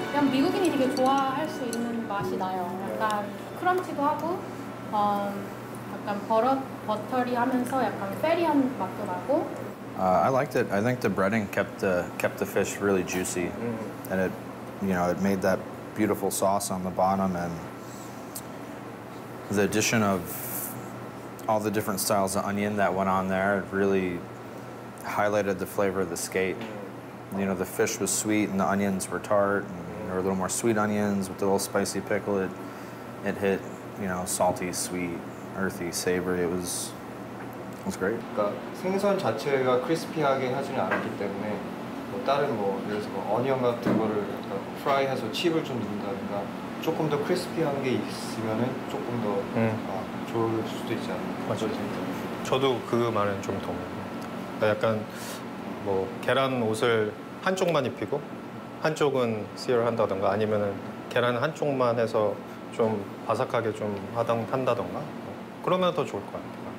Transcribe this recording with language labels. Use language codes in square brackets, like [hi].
[ko] 미국인이 되게 좋아할 수 있는 맛이 나요. 약간 크런치도 하고 약간 버터리 하면서 약간 페리한 맛도 나고. [en] I liked it. I think the breading kept the fish really juicy. Mm. And it, you know, it made that beautiful sauce on the bottom, and the addition of all the different styles of onion that went on there really highlighted the flavor of the skate. You know, the fish was sweet and the onions were tart, and there were a little more sweet onions with a little spicy pickle. It hit, you know, salty, sweet, earthy, savory. It was great. [ko] 그러니까 생선 자체가 크리스피하게 하지는 않기 때문에 뭐 다른 뭐 예를 들어서 뭐 어니언 같은 거를 프라이해서 칩을 좀 넣는다든가 조금 더 크리스피한 게 있으면은 조금 더 좋을 수도 있지 않을까 싶습니다. 저도 그 말은 좀 동의해요. 약간 뭐 계란 옷을 한쪽만 입히고 한쪽은 씨를 한다든가 아니면은 계란 한쪽만 해서 좀 바삭하게 좀 한다든가 그러면 더 좋을 것 같아요.